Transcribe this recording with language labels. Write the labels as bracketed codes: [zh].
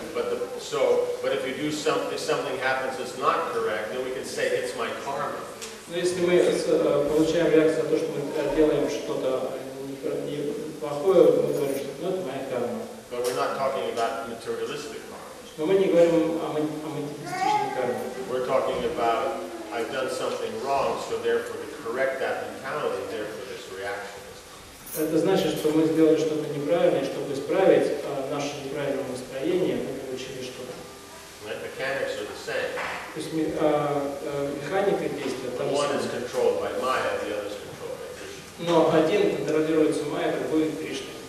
[en] But if you do something happens that's not correct, then we can say it's my karma. [ru] Но если мы получаем реакцию на то, что мы делаем что-то не плохое, мы говорим, что это моя карма. [en] But we're not talking about materialistic karma. [ru] Но мы не говорим о материалистической карме. [en] We're talking about I've done something wrong, so therefore to correct that mentality, therefore this reaction is. [ru] Это значит, что мы сделали что-то неправильное, чтобы исправить наше неправильное настроение, мы получили что-то. [en] The mechanics are the same. [ru] То есть механика действия та же самая. [en] One is controlled by Maya, the other is controlled by Krishna. [ru] Но один контролируется Maya, другой Кришна.